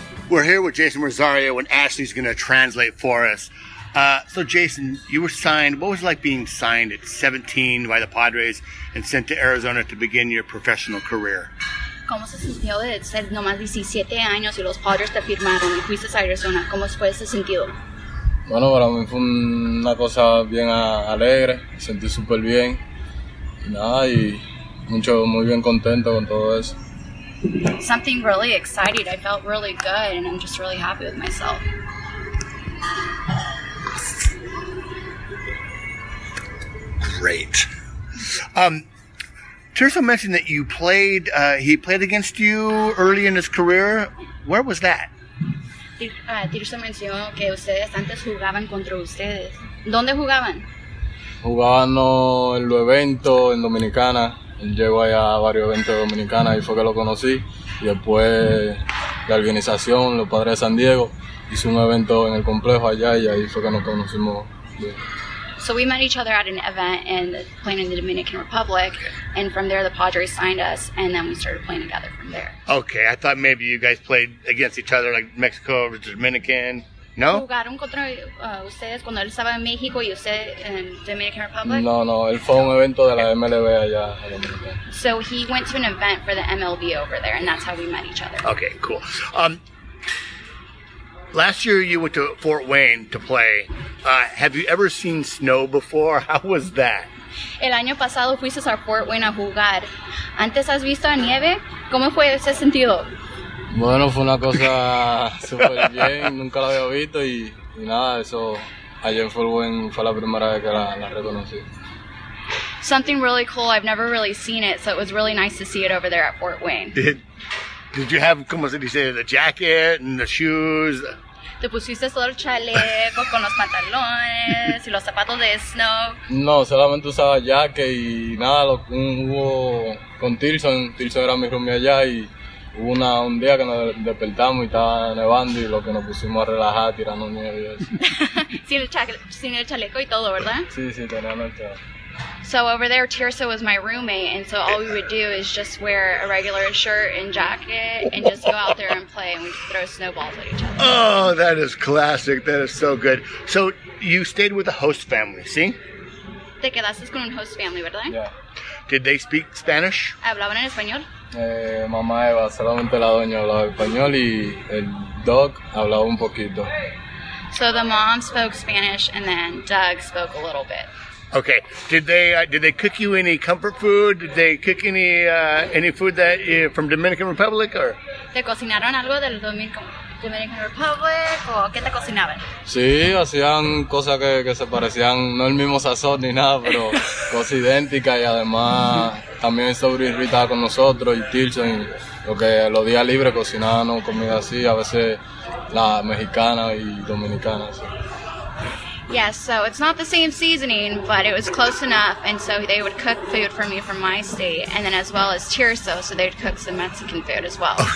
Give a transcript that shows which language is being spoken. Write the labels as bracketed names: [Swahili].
[English] We're here with Jason Rosario, and Ashley's going to translate for us. So Jason, you were signed. What was it like being signed at 17 by the Padres and sent to Arizona to begin your professional career? [Spanish] ¿Cómo se sintió de ser nomás 17 años y los Padres te firmaron y fuiste a Arizona? ¿Cómo fue ese sentido? Bueno, para mí fue una cosa bien alegre, me sentí súper bien, nada, y mucho, muy bien contento con todo eso. [English] Something really excited, I felt really good, and I'm just really happy with myself. Great. Tirso mentioned that you played, he played against you early in his career. Where was that? [Spanish] Tirso mencionó que ustedes antes jugaban contra ustedes. ¿Dónde jugaban? Jugaban en los eventos en Dominicana. Él llegó allá a varios eventos de Dominicana y fue que lo conocí. Y después la organización, los Padres de San Diego, hizo un evento en el complejo allá y ahí fue que nos conocimos bien. [English] So we met each other at an event playing in the Dominican Republic, and from there the Padres signed us, and then we started playing together from there. Okay, I thought maybe you guys played against each other, like Mexico versus Dominican. No? [Spanish] ¿Jugaron contra ustedes cuando él estaba en México y usted en Dominican Republic? No, no, él fue un evento de la MLB allá. [English] So he went to an event for the MLB over there, and that's how we met each other. Okay, cool. Last year you went to Fort Wayne to play. Have you ever seen snow before? How was that? [Spanish] El año pasado fuiste a Fort Wayne a jugar. ¿Antes has visto nieve? ¿Cómo fue ese sentido? Bueno, fue una cosa super bien. Nunca la había visto y nada, eso. Ayer en Fort Wayne fue la primera vez que la reconocí. [English] Something really cool. I've never really seen it, so it was really nice to see it over there at Fort Wayne. Did you have, [Spanish] como se dice, [English] the jacket and the shoes? [Spanish] ¿Te pusiste solo el chaleco con los pantalones y los zapatos de snow? No, solamente usaba jacket y nada, hubo con Tilson. Tilson era mi roomie allá y hubo un día que nos despertamos y estaba nevando y lo que nos pusimos a relajar tirando nieve y eso. sin el chaleco y todo, ¿verdad? Sí, teníamos el chaleco. [English] So over there, Tirso was my roommate, and so all we would do is just wear a regular shirt and jacket and just go out there and play, and we'd throw snowballs at each other. Oh, that is classic. That is so good. So you stayed with a host family, see? [Spanish] Te quedaste con un [English] host family, [Spanish] ¿verdad? [English] Yeah. Did they speak Spanish? [Spanish] ¿Hablaban en español? Mamá Eva, solamente la doña hablaba español y el dog hablaba un poquito. [English] So the mom spoke Spanish, and then Doug spoke a little bit. Okay. Did they cook you any comfort food? Did they cook any food that from Dominican Republic or? [Spanish] ¿Te cocinaron algo del Dominican Republic o qué te cocinaban? Sí, hacían cosas que se parecían, no el mismo sazón ni nada, pero cosas idénticas y además también sobre irritada con nosotros y Tilson, lo que los días libres cocinaban comida así, a veces la mexicana y dominicana. Así. [English] Yes, so it's not the same seasoning, but it was close enough, and so they would cook food for me from my state, and then as well as Tirso, so they'd cook some Mexican food as well.